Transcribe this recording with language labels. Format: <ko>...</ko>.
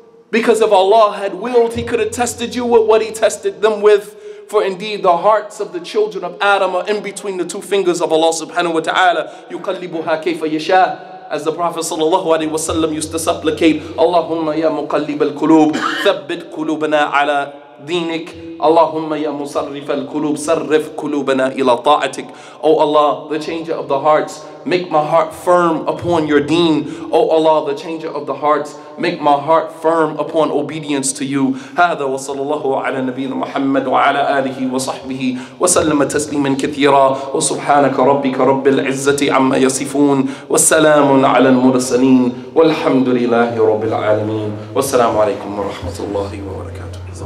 <en>Because if Allah had willed, He could have tested you with what He tested them with. For indeed, the hearts of the children of Adam are in between the two fingers of Allah subhanahu wa ta'ala.</en> <ar>يُقَلِّبُهَا كَيْفَ يَشَاء.</ar> <en>As the Prophet sallallahu alayhi wa sallam used to supplicate,</en> <ar>اللهم يا مقلب الكلوب ثبت قلوبنا على دينك. اللهم يا مصرف الكلوب صرف قلوبنا إلى طاعتك.</ar> <en>O Allah, the changer of the hearts, make my heart firm upon your deen. O Allah, the changer of the hearts, make my heart firm upon obedience to you.</en> <ar>هذا وصلى الله على نبينا محمد وعلى آله وصحبه وسلم تسليما كثيرا. وسبحانك ربك رب العزة عما يصفون. والسلام على المرسلين. والحمد لله رب العالمين. والسلام عليكم ورحمة الله وبركاته.</ar>